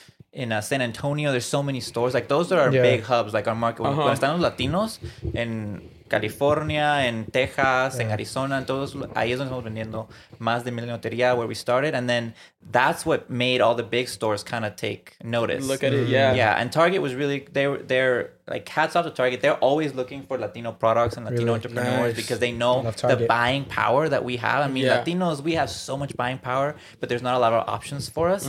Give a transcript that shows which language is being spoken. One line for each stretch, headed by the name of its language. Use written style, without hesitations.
English: In San Antonio, there's so many stores. Like those are our big hubs. Like our market. Uh-huh.
Spanish: When están los Latinos en California, en Texas, en Arizona, en todos, ahí es donde estamos vendiendo más de Millennial Lotería,
English: where we started. And then that's what made all the big stores kind of take notice. Look at it, yeah. Yeah, and Target was really, they're like, hats off to Target. They're always looking for Latino products and Latino entrepreneurs because they know the buying power that we have. I mean, Latinos, we have so much buying power, but there's not a lot of options for us.